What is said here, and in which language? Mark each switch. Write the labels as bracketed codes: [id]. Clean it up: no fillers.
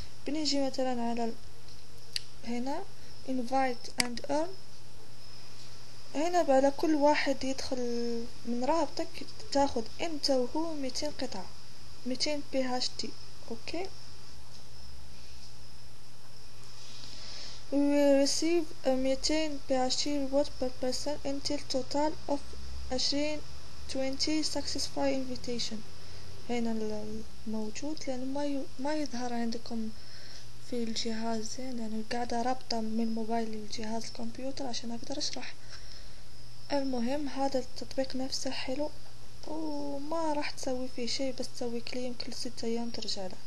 [ar] بنيجي مثلا على هنا [en] invite and earn، [ar] هنا على كل واحد يدخل من رابطك تاخد انت وهو 200 قطعة 200 PHT. اوكي [en] will receive 200 PHP rewards per person until total of 20 successful invitation. [ar] هنا الموجود لأن ما يظهر عندكم في الجهاز، يعني قاعدة رابطة من موبايل الجهاز الكمبيوتر عشان أقدر أشرح. المهم هذا التطبيق نفسه حلو وما راح تسوي فيه شيء، بس تسوي كليم كل 6 أيام ترجع له.